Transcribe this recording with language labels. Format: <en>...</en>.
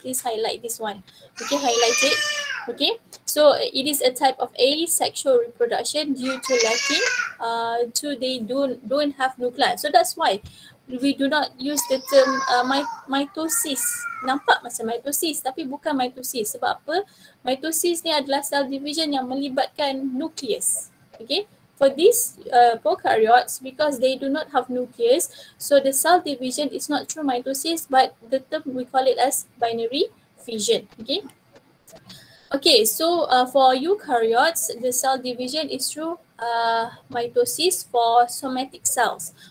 <en>Please highlight this one. Okay, highlight it. Okay, so it is a type of asexual reproduction due to lacking. They don't have nucleus. So that's why we do not use the term mitosis.</en> <ms>Nampak macam mitosis, tapi bukan mitosis. Sebab apa? Mitosis ni adalah cell division yang melibatkan nucleus.</ms> <en>Okay. For these prokaryotes, because they do not have nucleus, so the cell division is not through mitosis, but the term we call it as binary fission. Okay. Okay. So for eukaryotes, the cell division is through mitosis for somatic cells.</en>